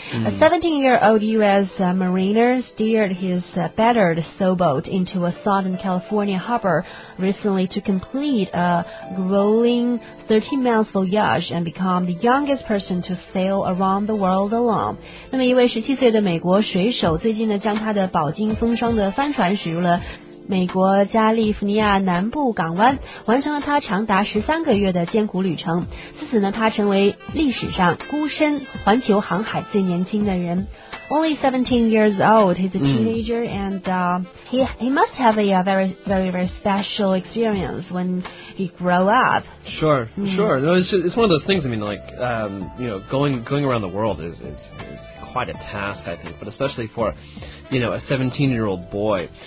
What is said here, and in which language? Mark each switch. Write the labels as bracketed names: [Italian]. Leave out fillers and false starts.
[English] A 17-year-old U.S. Mariner steered his battered sailboat into a Southern California harbor recently to complete a grueling 13-mile voyage and become the youngest person to sail around the world alone. [Chinese] 那么一位17岁的美国水手最近呢将他的饱经风霜的帆船驶入了美国加利福尼亚南部港湾，完成了他长达13个月的艰苦旅程。自此呢，他成为历史上孤身环球航海最年轻的人。 [English] Only 17 years old, he's a teenager, and he must have a very, very, very special experience when he grow up. Sure, sure. No, it's one of those things. I mean, like, you know, going around the world is. Quite a task, I think, but especially for, you know, a 17-year-old boy.